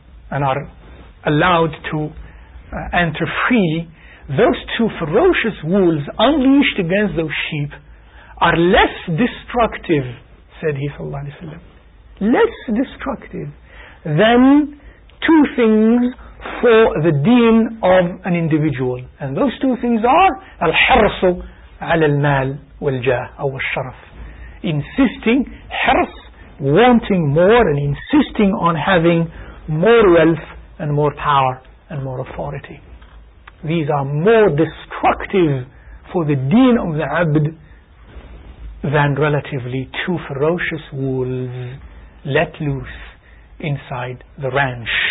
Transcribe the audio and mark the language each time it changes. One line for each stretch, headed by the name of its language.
English: and are allowed to enter freely, those two ferocious wolves unleashed against those sheep are less destructive, said he
Arabic: sallallahu alayhi wa sallam,
English: less destructive than two things for the deen of an individual. And those two things are
Arabic: الحرص على المال والجاه أو الشرف.
English: Insisting, حرص, wanting more and insisting on having more wealth and more power and more authority. These are more destructive for the deen of the abd than relatively two ferocious wolves let loose inside the ranch.